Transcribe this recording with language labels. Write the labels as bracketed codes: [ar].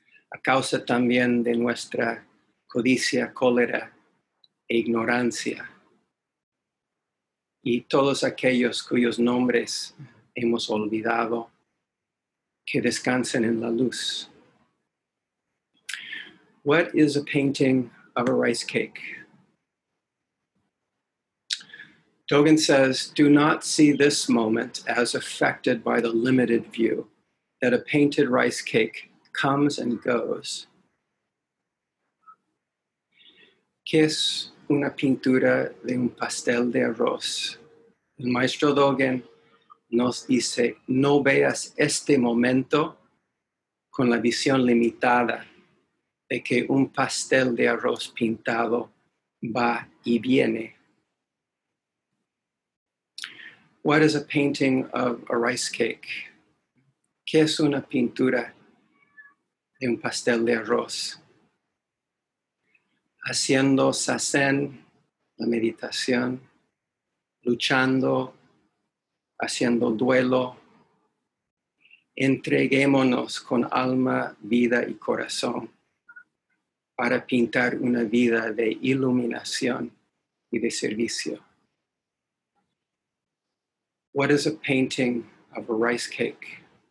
[es] a causa también de nuestra codicia, cólera e ignorancia, y todos aquellos cuyos nombres hemos olvidado, que descansen en la luz. [en] What is a painting of a rice cake? Dogen says, do not see this moment as affected by the limited view that a painted rice cake comes and goes. [es] ¿Qué es una pintura de un pastel de arroz? El maestro Dogen nos dice, no veas este momento con la visión limitada de que un pastel de arroz pintado va y viene. [en] What is a painting of a rice cake? [es] ¿Qué es una pintura de un pastel de arroz? Haciendo zazen, la meditación, luchando, haciendo duelo, entreguémonos con alma, vida y corazón para pintar una vida de iluminación y de servicio. [en] What is a painting of a rice cake?